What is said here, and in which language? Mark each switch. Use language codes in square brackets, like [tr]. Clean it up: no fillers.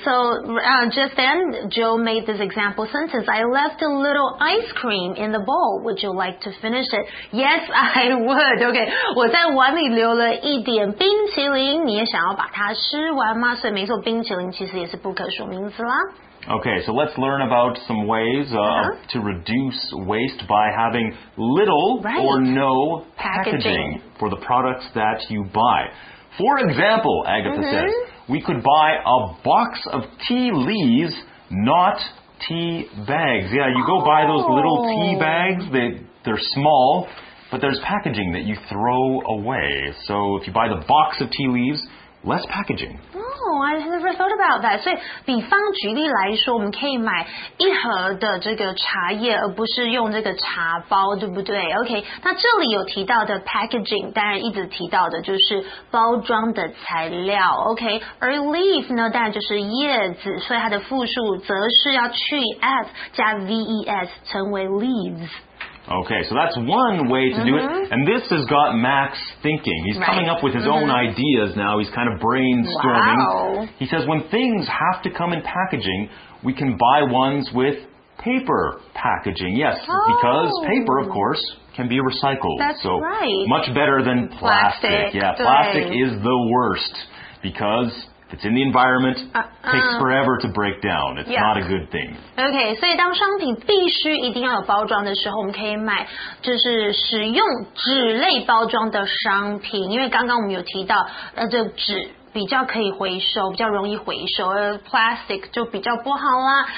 [en] So, just then, Joe made this example sentence. I left a little ice cream in the bowl. Would you like to finish it? Yes, I would. Okay. [zh] 我在碗里留了一点冰淇淋，你也想要把它吃完吗？所以没错，冰淇淋其实也是不可数名词啦。 [en] Okay, so let's learn about some ways to reduce waste by having little or no packaging for the products that you buy. For example, Agatha says, we could buy a box of tea leaves, not tea bags. Yeah, you go buy those little tea bags, they're small, but there's packaging that you throw away. So if you buy the box of tea leaves... Less packaging. Oh, I never thought about that. [zh] 所以比方举例来说，我们可以买一盒的这个茶叶，而不是用这个茶包，对不对 ？OK. 那这里有提到的 packaging， 当然一直提到的就是包装的材料。OK. 而 leaf 呢，当然就是叶子，所以它的复数则是要去 s 加 ves， 成为 leaves。 [en] Okay, so that's one way to do it. And this has got Max thinking. He's coming up with his own ideas now. He's kind of brainstorming. Wow. He says when things have to come in packaging, we can buy ones with paper packaging. Yes, because paper, of course... can be recycled. That's so right. Much better than plastic. Yeah, plastic is the worst because if it's in the environment, takes forever to break down. It's not a good thing. [zh] Okay, 所以当商品必须一定要有包装的时候，我们可以买就是使用纸类包装的商品，因为刚刚我们有提到这纸比较可以回收，比较容易回收，而 plastic 就比较不好啦。